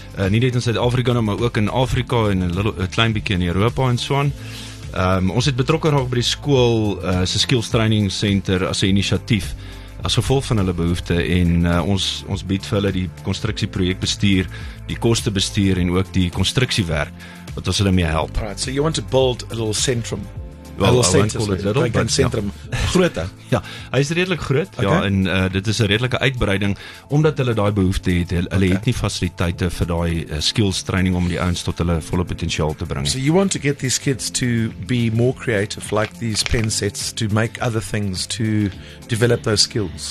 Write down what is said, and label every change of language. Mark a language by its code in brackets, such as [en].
[af] Nie net in Suid-Afrika nie, maar ook in Afrika en 'n klein bietjie in Europa en so aan. Ons het betrokke raak by die skool se skills training center as 'n inisiatief as gevolg van hulle behoeftes en ons bied vir hulle die konstruksie projekbestuur, die koste bestuur en ook die konstruksiewerk wat ons hulle mee help. [en] Right, so you want to build a little centrum. Well, I won't call it little, like but centrum. Groote. [af] Ja, hy is redelik groot. Okay. Ja, en dit is 'n redelike uitbreiding omdat hulle daai behoefte het. Hulle het nie fasiliteite vir daai skills training om die ouens tot hulle volle potensiaal te bring. [en] So you want to get these kids to be more creative, like these pen sets, to make other things, to develop those skills.